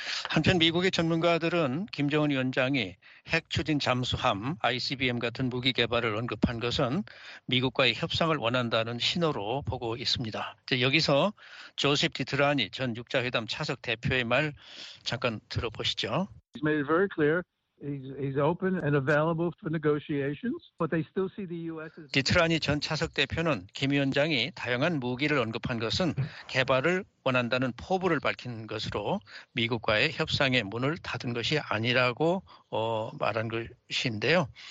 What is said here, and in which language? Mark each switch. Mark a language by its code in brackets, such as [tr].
[ko] 한편 미국의 전문가들은 김정은 위원장이 핵 추진 잠수함 ICBM 같은 무기 개발을 언급한 것은 미국과의 협상을 원한다는 신호로 보고 있습니다. 이제 여기서 조셉 디트라니 전 육자회담 차석 대표의 말 잠깐 들어보시죠. [en] He's made it very clear. He's open and available for negotiations, but they still see the U.S. as. [ko] 디트라니 전 차석 대표는 김 위원장이 다양한 무기를 언급한 것은 개발을 원한다는 포부를 밝힌 것으로 미국과의 협상의 문을 닫은 것이 아니라고 말한 것인데요.